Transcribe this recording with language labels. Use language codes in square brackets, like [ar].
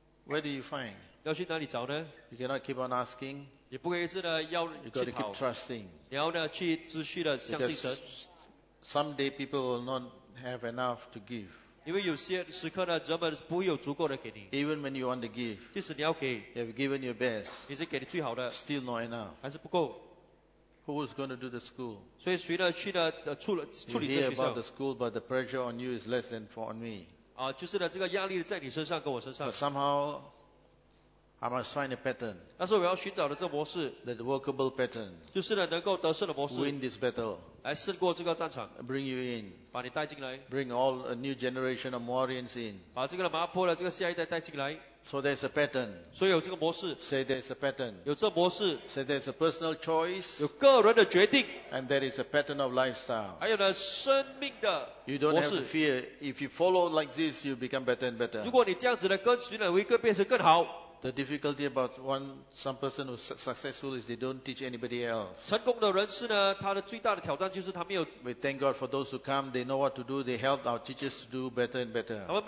[en] Where do you find? [zh] 要去哪里找呢？ [en] You cannot keep on asking. [zh] 你不可以一直呢要去跑。 [en] You got to keep trusting. [zh] 然后呢去持续的相信神。 [en] Someday people will not have enough to give. [zh] 因为有些时刻呢，人们不会有足够的给你。 [en] Even when you want to give, [zh] 即使你要给, [en] you have given your best, [zh] 你是给你最好的, [en] still not enough, [zh] 还是不够。 [en] Who is going to do the school? [zh] 所以谁呢去呢处理这学校？ [en] You hear about the school, but the pressure on you is less than for on me. [zh] 就是呢，这个压力在你身上跟我身上。 [en] But somehow, I must find a pattern. [zh] 但是我要寻找的这模式, [en] the workable pattern, [zh] 就是呢能够得胜的模式, [en] win this battle, [zh] 来胜过这个战场, [en] bring you in, [zh] 把你带进来, [en] bring all a new generation of Moorians in, [zh] 把这个马坡的这个下一代带进来, [en] so there's a pattern, [zh] 所以有这个模式, [en] say there's a pattern, [zh] 有这模式, [en] say there's a personal choice, [zh] 有个人的决定, [en] and there is a pattern of lifestyle, [zh] 还有呢生命的, [en] you don't have to fear, if you follow like this, you become better and better, [zh] 如果你这样子的跟随呢会变成更好。 [en] The difficulty about one some person who's successful is they don't teach anybody else. [zh] 成功的人士呢，他的最大的挑战就是他没有。 [en] We thank God for those who come. They know what to do. They help our teachers to do better and better.